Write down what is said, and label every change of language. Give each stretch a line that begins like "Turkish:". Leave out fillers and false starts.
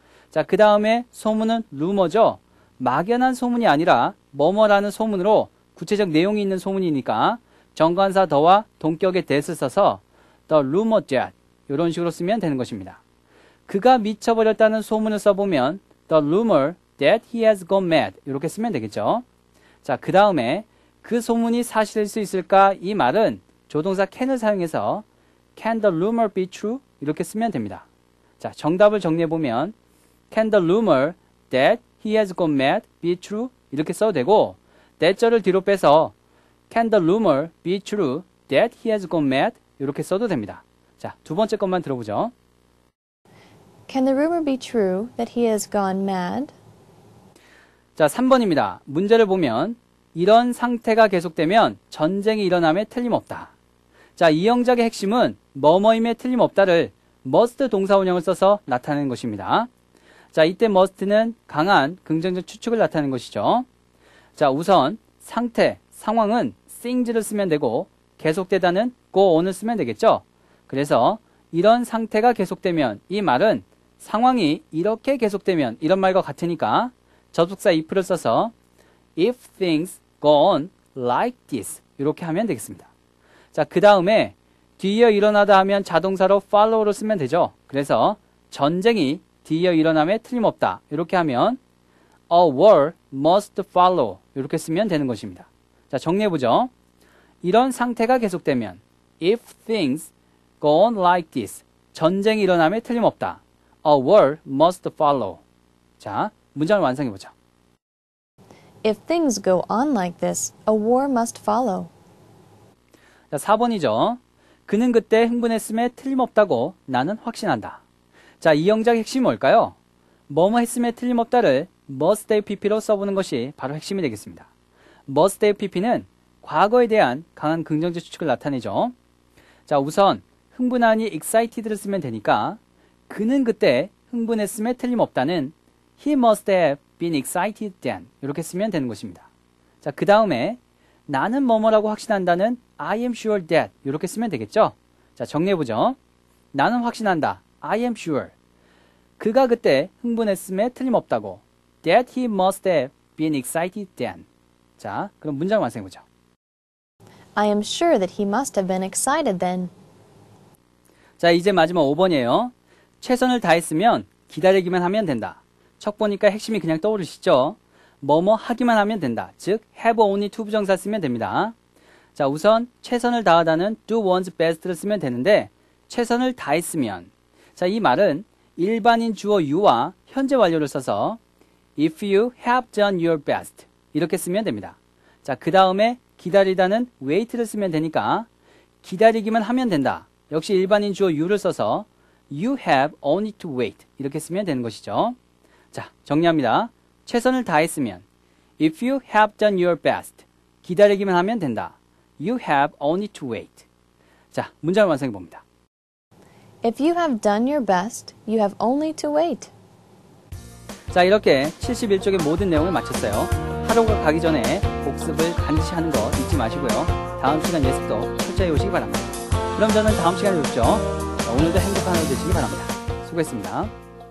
Korean: 자, 그 다음에 소문은 rumor죠. 막연한 소문이 아니라 뭐뭐라는 소문으로 구체적 내용이 있는 소문이니까 정관사 더와 동격의 that을 써서
English: the rumor that
Korean: 이런 식으로 쓰면 되는 것입니다. 그가 미쳐버렸다는 소문을 써보면
English: the rumor that he has gone mad
Korean: 이렇게 쓰면 되겠죠. 자, 그 다음에 그 소문이 사실일 수 있을까 이 말은 조동사 can을 사용해서
English: can the rumor be true
Korean: 이렇게 쓰면 됩니다. 자, 정답을 정리해보면
English: can the rumor that he has gone mad be true
Korean: 이렇게 써도 되고
English: that절을
Korean: 뒤로 빼서
English: can the rumor be true that he has gone mad
Korean: 이렇게 써도 됩니다. 자, 두 번째 것만 들어보죠.
English: Can the rumor be true that he has gone mad?
Korean: 자, 3번입니다. 문제를 보면 이런 상태가 계속되면 전쟁이 일어남에 틀림없다. 자, 이 영작의 핵심은 뭐뭐임에 틀림없다를 must 동사원형을 써서 나타내는 것입니다. 자, 이때 must는 강한 긍정적 추측을 나타내는 것이죠. 자, 우선 상태, 상황은 things를 쓰면 되고 계속되다는 go-on을 쓰면 되겠죠. 그래서 이런 상태가 계속되면 이 말은 상황이 이렇게 계속되면 이런 말과 같으니까 접속사 if를 써서
English: if things go on like this
Korean: 이렇게 하면 되겠습니다. 자, 그 다음에 뒤이어 일어나다 하면 자동사로 follow를 쓰면 되죠. 그래서 전쟁이 뒤이어 일어남에 틀림없다 이렇게 하면
English: a war must follow
Korean: 이렇게 쓰면 되는 것입니다. 자, 정리해보죠. 이런 상태가 계속되면
English: if things go on like this
Korean: 전쟁이 일어남에 틀림없다
English: a war must follow.
Korean: 자, 문장을 완성해보죠.
English: If things go on like this, a war must follow.
Korean: 자, 4번이죠. 그는 그때 흥분했음에 틀림없다고 나는 확신한다. 자, 이 영작의 핵심이 뭘까요? 뭐뭐 했음에 틀림없다를 must have pp로 써보는 것이 바로 핵심이 되겠습니다. must have pp는 과거에 대한 강한 긍정적 추측을 나타내죠. 자, 우선 흥분하니 excited를 쓰면 되니까 그는 그때 흥분했음에 틀림없다는
English: he must have been excited then
Korean: 이렇게 쓰면 되는 것입니다. 자, 그 다음에 나는 뭐뭐라고 확신한다는
English: I am sure that
Korean: 이렇게 쓰면 되겠죠. 자, 정리해보죠. 나는 확신한다.
English: I am sure.
Korean: 그가 그때 흥분했음에 틀림없다고
English: that he must have been excited then.
Korean: 자, 그럼 문장 완성해보죠.
English: I am sure that he must have been excited then.
Korean: 자, 이제 마지막 5번이에요. 최선을 다했으면 기다리기만 하면 된다. 첫 보니까 핵심이 그냥 떠오르시죠? 뭐뭐 하기만 하면 된다. 즉, have only to 부정사 쓰면 됩니다. 자, 우선 최선을 다하다는 do one's best를 쓰면 되는데 최선을 다했으면 자, 이 말은 일반인 주어 you와 현재 완료를 써서
English: if you have done your best
Korean: 이렇게 쓰면 됩니다. 자, 그 다음에 기다리다는 wait를 쓰면 되니까 기다리기만 하면 된다. 역시 일반인 주어 you를 써서
English: you have only to wait
Korean: 이렇게 쓰면 되는 것이죠. 자, 정리합니다. 최선을 다했으면
English: if you have done your best
Korean: 기다리기만 하면 된다.
English: you have only to wait.
Korean: 자, 문장을 완성해 봅니다.
English: If you have done your best, you have only to wait.
Korean: 자, 이렇게 71쪽의 모든 내용을 마쳤어요. 하루가 가기 전에 복습을 반드시 하는 거 잊지 마시고요. 다음 시간 예습도 철저히 오시기 바랍니다. 그럼 저는 다음 시간에 뵙죠. 오늘도 행복한 하루 되시기 바랍니다. 수고했습니다.